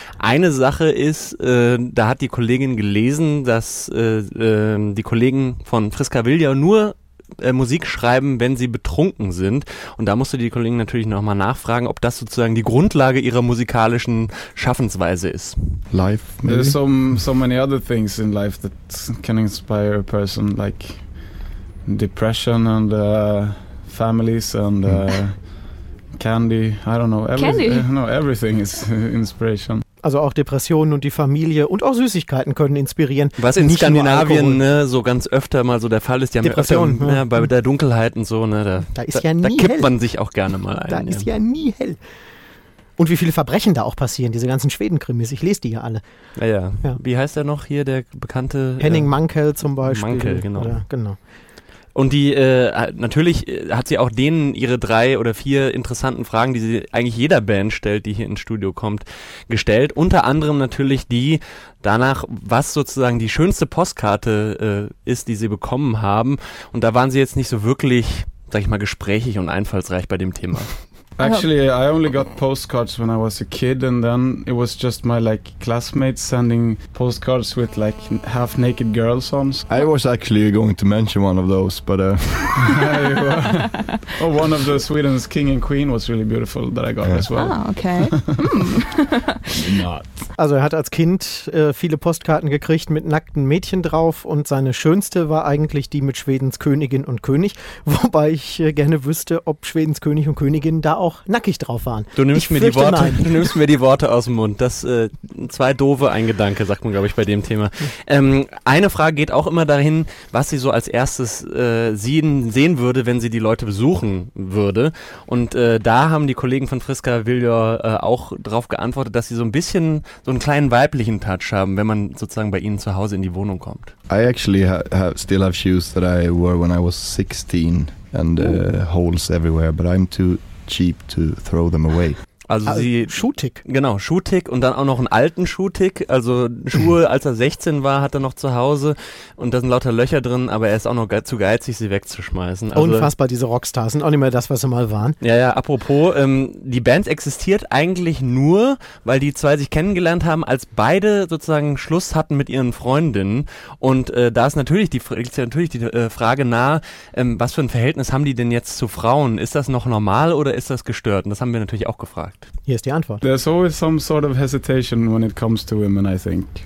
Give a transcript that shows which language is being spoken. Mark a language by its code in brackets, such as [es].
[de] Eine Sache ist, da hat die Kollegin gelesen, dass die Kollegen von Friska Viljor nur Musik schreiben, wenn sie betrunken sind. Und da musste die Kollegin natürlich nochmal nachfragen, ob das sozusagen die Grundlage ihrer musikalischen Schaffensweise ist. [en] Life, maybe? There's so many other things in life that can inspire a person, like depression and families and candy. I don't know. Everything is inspiration. [de] Also auch Depressionen und die Familie und auch Süßigkeiten können inspirieren. Was in nicht Skandinavien ne, so ganz öfter mal so der Fall ist. Die haben Depression. Ja, öfter, ja. Bei der Dunkelheit und so. Ne, da ist ja da nie kippt hell. Man sich auch gerne mal ein. Da ist ja nie hell. Und wie viele Verbrechen da auch passieren, diese ganzen Schwedenkrimis. Ich lese die ja alle. Ja. Wie heißt der noch hier, der bekannte? Henning Mankell zum Beispiel. Mankell, genau. Oder, genau. Und die natürlich hat sie auch denen ihre 3 oder 4 interessanten Fragen, die sie eigentlich jeder Band stellt, die hier ins Studio kommt, gestellt. Unter anderem natürlich die danach, was sozusagen die schönste Postkarte ist, die sie bekommen haben. Und da waren sie jetzt nicht so wirklich, sag ich mal, gesprächig und einfallsreich bei dem Thema. [en] Actually, I only got postcards when I was a kid, and then it was just my like classmates sending postcards with like half-naked girls on. I was actually going to mention one of those, but oh, one of the Sweden's King and Queen was really beautiful that I got as well. Ah, okay. Not. [de] Also er hat als Kind viele Postkarten gekriegt mit nackten Mädchen drauf und seine schönste war eigentlich die mit Schwedens Königin und König, wobei ich gerne wüsste, ob Schwedens König und Königin da auch nackig drauf waren. Du nimmst, mir die, Worte, du nimmst mir die Worte aus dem Mund. Das zwei doofe, ein Gedanke, sagt man, glaube ich, bei dem Thema. Eine Frage geht auch immer dahin, was sie so als erstes sehen würde, wenn sie die Leute besuchen würde. Und da haben die Kollegen von Friska Viljor auch drauf geantwortet, dass sie so ein bisschen so einen kleinen weiblichen Touch haben, wenn man sozusagen bei ihnen zu Hause in die Wohnung kommt. [en] I actually still have shoes that I wore when I was 16 and holes everywhere, but I'm too cheap to throw them away. [de] Also sie Schuhtick. Genau, Schuhtick und dann auch noch einen alten Schuhtick. Also Schuhe, als er 16 war, hat er noch zu Hause und da sind lauter Löcher drin, aber er ist auch noch zu geizig, sie wegzuschmeißen. Also, unfassbar, diese Rockstars sind auch nicht mehr das, was sie mal waren. Ja, ja, apropos, die Band existiert eigentlich nur, weil die zwei sich kennengelernt haben, als beide sozusagen Schluss hatten mit ihren Freundinnen. Und da ist natürlich die Frage nahe, was für ein Verhältnis haben die denn jetzt zu Frauen? Ist das noch normal oder ist das gestört? Und das haben wir natürlich auch gefragt. [en] Here's the answer. There's always some sort of hesitation when it comes to women, I think.